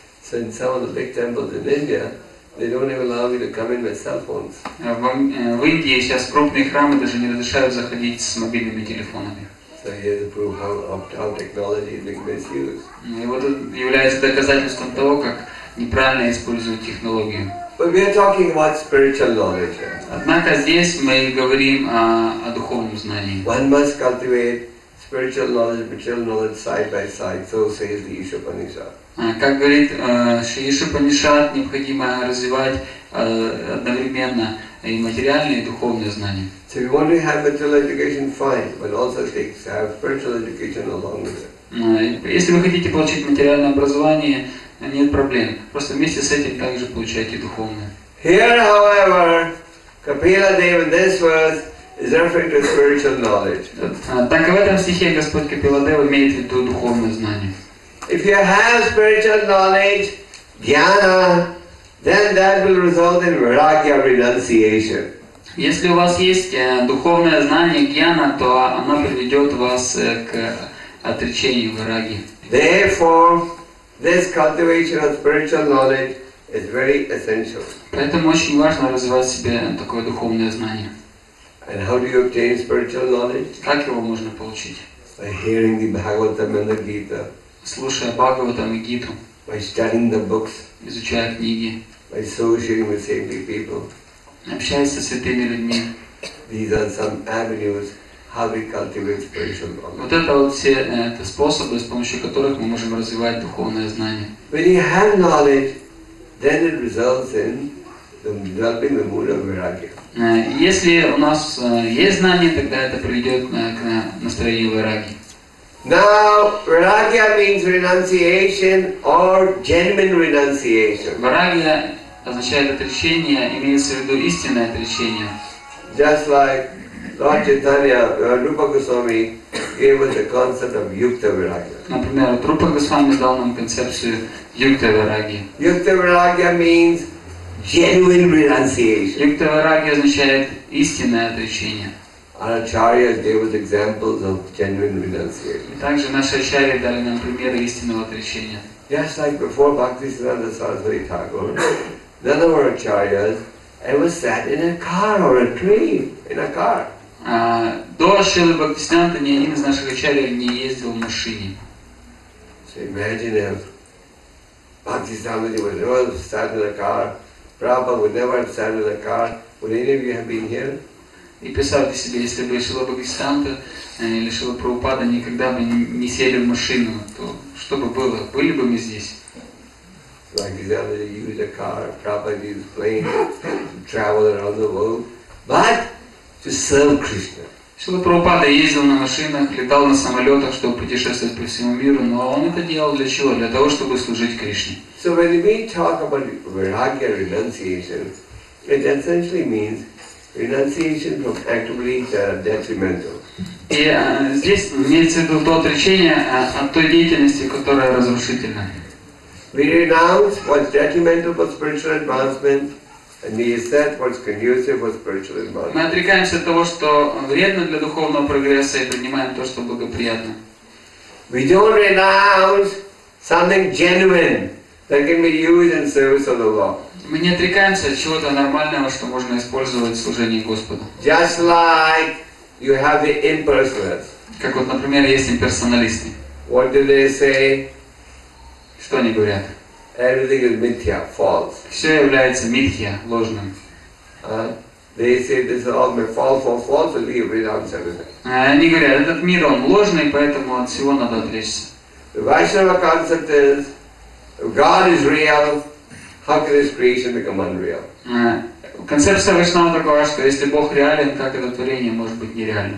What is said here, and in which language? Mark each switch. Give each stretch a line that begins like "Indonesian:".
Russian: В Индии сейчас крупные храмы даже не разрешают заходить с мобильными телефонами.
English: So here to prove how technology is being misused.
Russian: И вот это является доказательством того, как неправильно используют технологии.
English: But we are talking about spiritual knowledge.
Russian: Однако здесь мы говорим о духовном знании.
English: One must cultivate spiritual knowledge, material knowledge side by side. So says the Ishopanishad.
Russian: Как говорит Ишопанишад, необходимо развивать одновременно и материальное, и духовное знание.
English: So if you want to have material education, fine, but also take have spiritual education along with it.
Russian: Если вы хотите получить материальное образование, нет проблем. Просто вместе с этим также получайте духовное.
English: Here, however, Kapila Dev in this verse is referring to spiritual knowledge.
Russian: Так в этом стихе Господь Капила Дев имеет в виду духовное знание.
English: If you have spiritual knowledge, jnana, then that will result in vairagya, renunciation.
Russian: Если у вас есть духовное знание гьяна, то оно приведет вас к отречению вайраги.
English: Therefore, this cultivation of spiritual knowledge is very essential.
Russian: Поэтому очень важно развивать в себе такое духовное знание.
English: And how do you obtain spiritual knowledge?
Russian: Как его можно получить?
English: By hearing the Bhagavatam and the Gita.
Russian: Слушая Бхагаватам и Гиту.
English: By studying the books.
Russian: Изучая книги.
English: By associating with saintly people.
Russian: Общаясь со святыми людьми.
English: These are some avenues how we cultivate spiritual knowledge.
Russian: Вот это вот все это способы, с помощью которых мы можем развивать духовное знание.
English: When you have knowledge, then it results in developing the mood of vairagya.
Russian: Если у нас есть знание, тогда это приведет к настроению вайраги.
English: Now, vairagya means renunciation or genuine renunciation.
Russian: Vairagya означает отречение, имеется в виду истинное отречение.
English: Just like Lord Chaitanya, Rupa Goswami gave us the concept of Yukta Vairagya.
Russian: Например, Рупа Госвами дал нам концепцию Юкта Вайраги.
English: Yukta Vairagya means genuine renunciation.
Russian: Yukta Vairagya означает истинное отречение.
English: Our acharyas gave us examples of genuine renunciation.
Russian: Также наши ачарьи дали нам примеры истинного отречения.
English: Just like before Bhaktisiddhanta Saraswati Thakur, the other acharyas ever sat in a car or a train in a car.
Russian: До Шрилы Бхактисиддханты ни один из наших ачарьев не ездил в машине.
English: So imagine if Bhaktisiddhanta would never have sat in a car, Prabhupada would never have sat in a car, would any of you have been here?
Russian: И представьте себе, если бы Шрила Бхактисиддханта или Шрила Прабхупада никогда бы не сели в машину, то что бы было? Были бы мы здесь?
English: Like example, you use a car, Prabhupada use plane, travel around the world, but to serve Krishna.
Russian: Шрила Прабхупада ездил на машинах, летал на самолетах, чтобы путешествовать по всему миру, но он это делал для чего? Для того, чтобы служить Кришне.
English: So when we talk about Vairagya renunciation, it essentially means renunciation from actively detrimental.
Russian: И здесь имеется в виду то отречение от той деятельности, которая разрушительна.
English: We renounce what's detrimental for spiritual advancement, and we accept what's conducive for spiritual advancement.
Russian: Мы отрекаемся от того, что вредно для духовного прогресса, и принимаем то, что благоприятно.
English: We don't renounce something genuine that can be used in service of the Lord.
Russian: Мы не отрекаемся от чего-то нормального, что можно использовать в служении Господу.
English: Just like you have the impersonalists.
Russian: Как вот, например, есть имперсоналисты.
English: What do they say?
Russian: Что они говорят?
English: Everything is mithya, false.
Russian: Все является mithya, ложным.
English: They say this is all false, false, false, and we renounce everything.
Russian: Они говорят, этот мир он ложный, поэтому от всего надо отречься.
English: The Vaishnava concept is God is real. How can this creation become unreal?
Russian: Концепция Вайшнава такова, что если Бог реален, как это творение может быть нереальным?